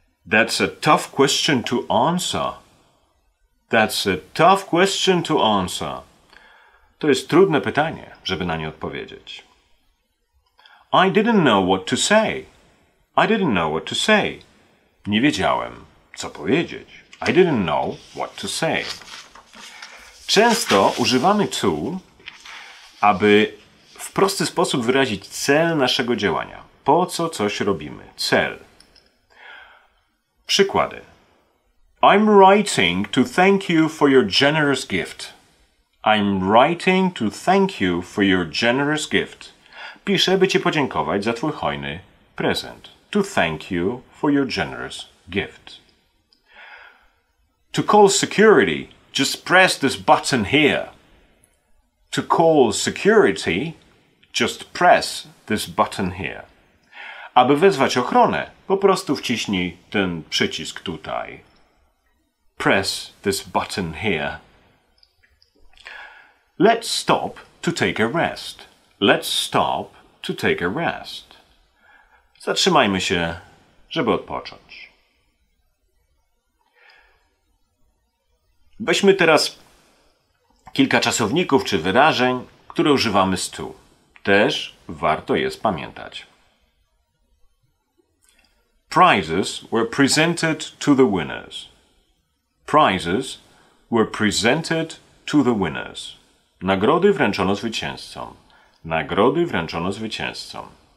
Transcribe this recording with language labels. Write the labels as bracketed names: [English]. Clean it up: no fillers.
[English] That's a tough question to answer. That's a tough question to answer. [Polish] To jest trudne pytanie, żeby na nie odpowiedzieć. [English] I didn't know what to say. I didn't know what to say. [Polish] Nie wiedziałem, co powiedzieć. [English] I didn't know what to say. [Polish] Często używamy to, aby w prosty sposób wyrazić cel naszego działania. Po co coś robimy? Cel. Przykłady. [English] I'm writing to thank you for your generous gift. I'm writing to thank you for your generous gift. [Polish] Piszę, by ci podziękować za twój hojny prezent. [English] To thank you for your generous gift. To call security, just press this button here. To call security, just press this button here. [Polish] Aby wezwać ochronę, po prostu wciśnij ten przycisk tutaj. [English] Press this button here. Let's stop to take a rest. Let's stop to take a rest. [Polish] Zatrzymajmy się, żeby odpocząć. Weźmy teraz kilka czasowników czy wyrażeń, które używamy z tu. Też warto jest pamiętać. [English] Prizes were presented to the winners. Prizes were presented to the winners. [Polish] Nagrody wręczono zwycięzcom. Nagrody wręczono zwycięzcom.